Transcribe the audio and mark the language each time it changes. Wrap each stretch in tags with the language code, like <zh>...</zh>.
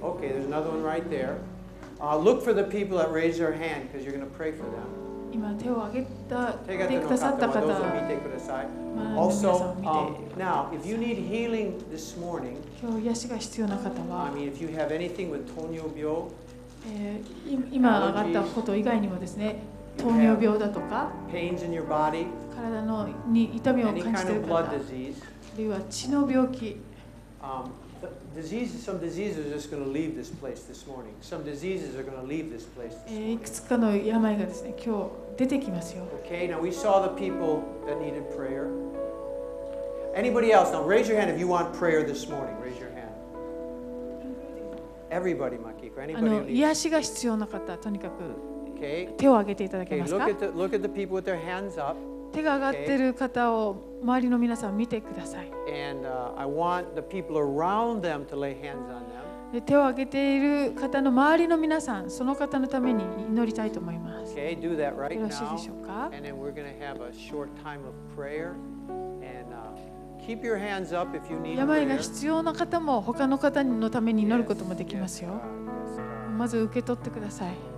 <en>Okay, there's another one right there. Look for the people that raised their hand because you're going to pray for them.</en> <ja>今手を挙げた、手を挙げてくださった方、どうぞ見てください。まあ、</ja> <en>also,</en> <ja>皆さん見てください。</ja> <en>Morning,</en> <ja>今日癒しが必要な方は、</ja> <en>I mean, if you have anything with 糖尿病、</en> <ja>今上がったこと以外にもですね、糖尿病だとか、</ja> <en>pains in your body,</en> <ja>体のに痛みを感じている方、</ja> <en>any kind of blood disease,</en> <ja>あるいは血の病気、</ja> <en>Diseases, some diseases are just going to leave this place this morning. Some diseases are going to leave this place this morning.</en> <ja>いくつかの病がですね、今日出てきますよ。</ja> <en>Okay, now we saw the people that needed prayer. Anybody else? Now raise your hand if you want prayer this morning. Raise your hand. Everybody, Makiko. Anybody who needs.</en> <ja>癒しが必要な方、とにかく手を挙げていただけますか。</ja> <en>Okay, look at the people with their hands up.</en> <ja>手が挙がってる方を周りの皆さん見てください。</ja> <en>And, I want the people around them to lay hands on them.</en> <ja>で、手を挙げている方の周りの皆さん、その方のために祈りたいと思います。</ja> <en>Okay, do that right now.</en> <ja>よろしいでしょうか。</ja> <en>And then we're going to have a short time of prayer. And, keep your hands up if you need prayer.</en> <ja>病が必要な方も他の方のために祈ることもできますよ。</ja> <en>Yes,</en> <ja>まず受け取ってください。</ja>